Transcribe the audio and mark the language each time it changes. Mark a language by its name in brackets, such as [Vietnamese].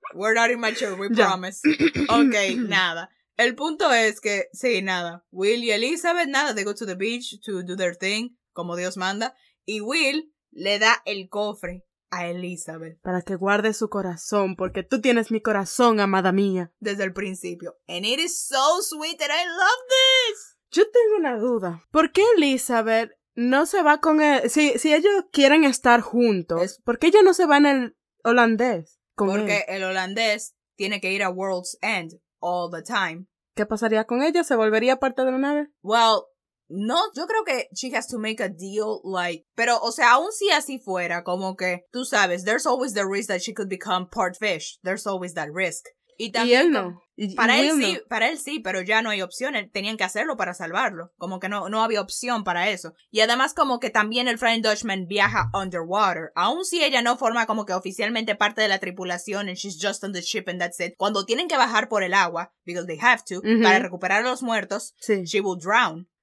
[English] We're not immature, we promise. Yeah. [Spanish] Ok, nada. El punto es que, sí, nada. Will y Elizabeth, nada, [English] they go to the beach to do their thing, [Spanish] como Dios manda. Y Will le da el cofre a Elizabeth. Para que guarde su corazón, porque tú tienes mi corazón, amada mía. Desde el principio. [English] And it is so sweet that I love this. [Spanish] Yo tengo una duda. ¿Por qué Elizabeth... no se va con él? Si ellos quieren estar juntos, ¿por qué ella no se va en el holandés con porque él? [English] El holandés tiene que ir a World's End all the time. [Spanish] ¿Qué pasaría con ella? ¿Se volvería parte de la nave? [English] Well, no, [Spanish] yo creo que [English] she has to make a deal, like, [Spanish] pero, o sea, aun si así fuera, como que, tú sabes, [English] there's always the risk that she could become part fish. There's always that risk. [Spanish] Y él no. Para él sí, pero ya no hay opciones. Tenían que hacerlo para salvarlo. Como que no había opción para eso. Y además como que también el Flying Dutchman viaja [English] underwater. [Spanish] Aun si ella no forma como que oficialmente parte de la tripulación [English] and she's just on the ship and that's it. [Spanish] Cuando tienen que bajar por el agua, [English] because they have to, [Spanish] uh-huh, para recuperar a los muertos, sí, [English] she will drown.